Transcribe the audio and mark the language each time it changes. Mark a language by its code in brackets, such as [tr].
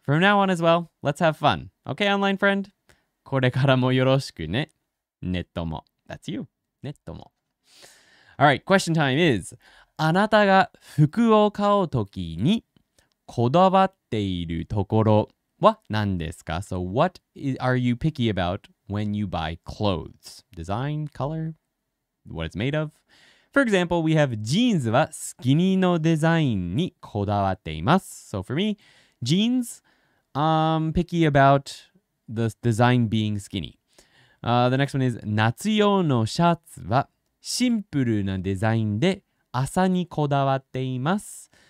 [en] From now on as well, let's have fun, okay, online friend? [ja] これからもよろしくね、ネットも。 [en] That's you. [ja] ネットも。 [en] Alright, question time is, [ja] あなたが服を買うときにこだわっているところ。は何ですか? [en] So what are you picky about when you buy clothes? Design, color, what it's made of. For example, we have jeans は [ja] スキニーのデザインにこだわっています。 [en] So for me, jeans, picky about the design being skinny. The next one is [ja] 夏用のシャツはシンプルなデザインで朝にこだわっています。